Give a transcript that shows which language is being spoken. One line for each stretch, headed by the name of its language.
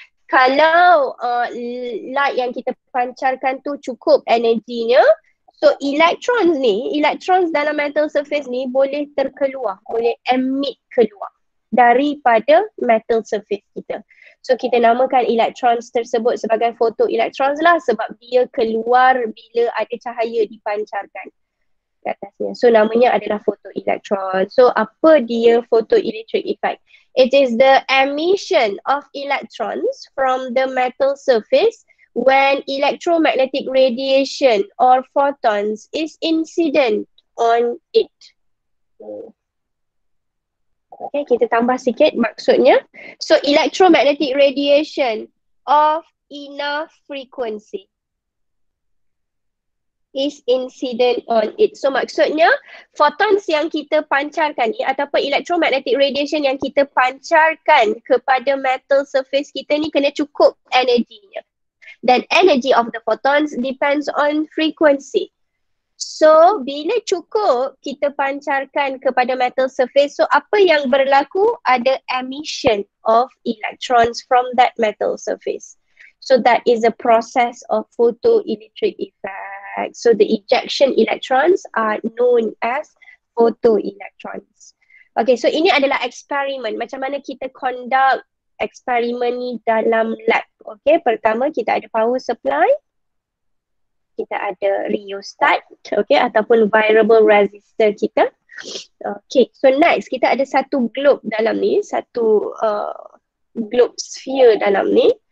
Malay: Kalau light yang kita pancarkan tu cukup energinya, so electrons ni, electrons dalam metal surface ni boleh terkeluar, boleh emit keluar daripada metal surface kita. So kita namakan electrons tersebut sebagai photoelectrons lah sebab dia keluar bila ada cahaya dipancarkan di atasnya. So namanya adalah photoelectrons. So apa dia photoelectric effect?
English: It is the emission of electrons from the metal surface when electromagnetic radiation or photons is incident on it.
Malay: Okay, kita tambah sikit maksudnya.
English: So, electromagnetic radiation of enough frequency is incident on it.
Malay: So, maksudnya photons yang kita pancarkan ni ataupun electromagnetic radiation yang kita pancarkan kepada metal surface kita ni kena cukup energinya.
English: Then energy of the photons depends on frequency.
Malay: So bila cukup kita pancarkan kepada metal surface, so apa yang berlaku?
English: Ada emission of electrons from that metal surface. So that is a process of photoelectric effect. So the ejection electrons are known as photoelectrons.
Malay: Okay, so ini adalah eksperimen. Macam mana kita conduct eksperimen ni dalam lab. Okay, pertama kita ada power supply, kita ada rheostat, okay, ataupun variable resistor kita. Okay, so next kita ada satu globe dalam ni, satu globe sphere dalam ni.